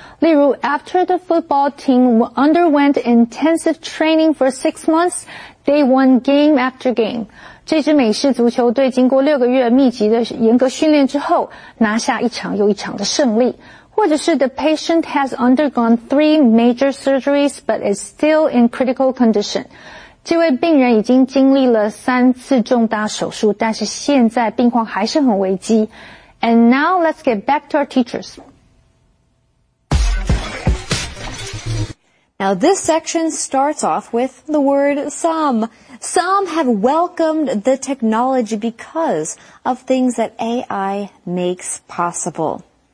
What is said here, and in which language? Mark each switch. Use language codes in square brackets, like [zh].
[zh] 例如 [en] ,after the football team underwent intensive training for 6 months, they won game after game. [zh] 这支美式足球队经过6个月密集的严格训练之后，拿下一场又一场的胜利。或者是 [en] the patient has undergone 3 major surgeries but is still in critical condition. [zh] 这位病人已经经历了3次重大手术，但是现在病况还是很危机。 [en] And now let's get back to our teachers. Now this section starts off with the word some. Some have welcomed the technology because of things that AI makes possible.